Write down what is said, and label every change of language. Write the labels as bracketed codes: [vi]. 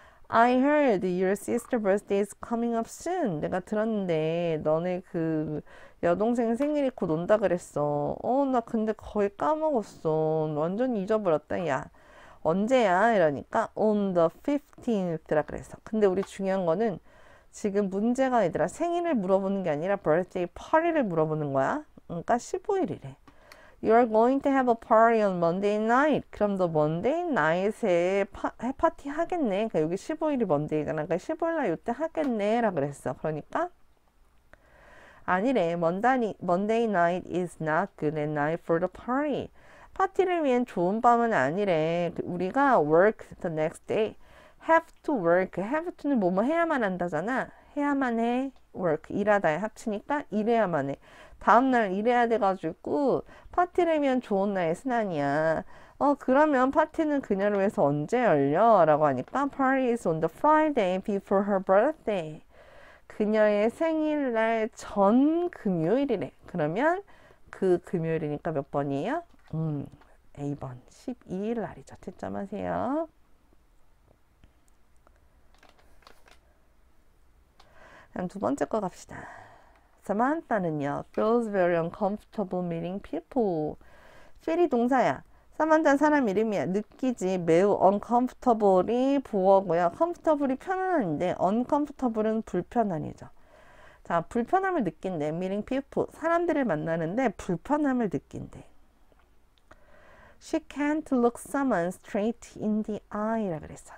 [en] I heard your sister birthday is coming up soon. [ko] 내가 들었는데 너네 그 여동생 생일이 곧 온다 그랬어. 나 근데 거의 까먹었어. 완전 잊어버렸다. 야, 언제야? 이러니까 [en] on the 15th [ko] 라 그랬어. 근데 우리 중요한 거는 지금 문제가 얘들아 생일을 물어보는 게 아니라 birthday party를 물어보는 거야. 그러니까 15일이래. [en] You are going to have a party on Monday night. [ko] 그럼 너 Monday night에 해파티 하겠네. 그러니까 여기 15일이 Monday잖아. 그러니까 15일날 이때 하겠네라 그랬어. 그러니까 아니래. [en] Monday night is not good night for the party. [ko] 파티를 위한 좋은 밤은 아니래. 우리가 [en] work the next day. Have to work. [ko] Have to는 뭐뭐 해야만 한다잖아. 해야만 해. work. 일하다에 합치니까 일해야만 해. 다음날 일해야 돼가지고 파티를 위한 좋은 날의 순환이야. 그러면 파티는 그녀를 위해서 언제 열려? 라고 하니까 [en] Party is on the Friday before her birthday. [ko] 그녀의 생일날 전 금요일이래. 그러면 그 금요일이니까 몇 번이에요? A번 12일 날이죠. 채점하세요. 그럼 두 번째 거 갑시다. 사만타는요, [en] feels very uncomfortable meeting people. [ko] feel이 동사야. 사만타는 사람 이름이야. 느끼지. 매우 uncomfortable이 부어고요. comfortable이 편안한데, uncomfortable은 불편함이죠. 자, 불편함을 느낀대. meeting people. 사람들을 만나는데 불편함을 느낀대. [en] She can't look someone straight in the eye [ko] 라 그랬어.